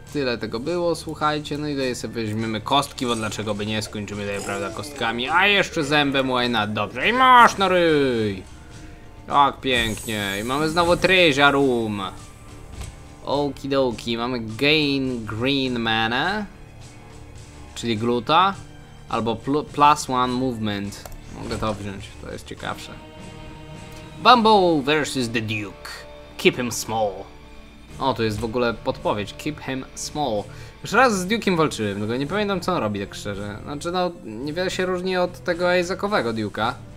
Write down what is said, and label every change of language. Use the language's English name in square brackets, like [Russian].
[Polish] Tyle tego było, słuchajcie, no i tutaj sobie weźmiemy kostki, bo dlaczego by nie, skończymy tutaj, prawda, kostkami, a jeszcze zębę, [English] why not, [Polish] dobrze, i masz, no ryj! Tak, pięknie, i mamy znowu treasure room. Okidoki, mamy gain green mana, czyli gluta, albo plus one movement, mogę to wziąć, to jest ciekawsze. [English] Bumble versus the Duke, keep him small. [Polish] O, tu jest w ogóle podpowiedź. [English] Keep him small. [Polish] Już raz z Duke'em walczyłem, tylko nie pamiętam co on robi tak szczerze. Znaczy no, niewiele się różni od tego Isaacowego Duke'a.